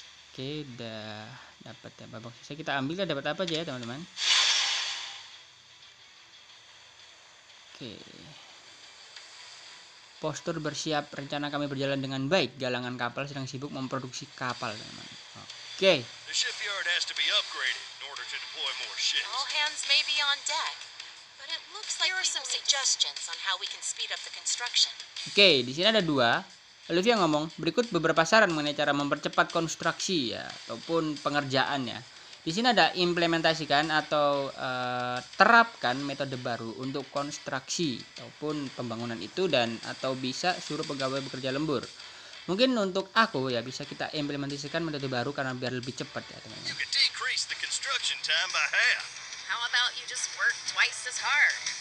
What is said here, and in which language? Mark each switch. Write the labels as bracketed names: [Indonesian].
[Indonesian] Oke, udah dapat ya babak sisa. Kita ambil ya, dapat apa aja ya teman-teman. Oke. Postur bersiap, rencana kami berjalan dengan baik. Galangan kapal sedang sibuk memproduksi kapal, teman-teman. Oke. [English] The shipyard has to be upgraded in order to deploy more ships. All hands may be on deck, but it looks like there are some suggestions on how we can speed up the construction. [Indonesian] Oke, di sini ada dua. Olivia ngomong, berikut beberapa saran mengenai cara mempercepat konstruksi ya, ataupun pengerjaan ya. Di sini ada implementasikan atau terapkan metode baru untuk konstruksi ataupun pembangunan itu, dan atau bisa suruh pegawai bekerja lembur. Mungkin untuk aku ya, bisa kita implementasikan metode baru karena biar lebih cepat ya teman-teman. [English] You can decrease the construction time by half. How about you just work twice as hard?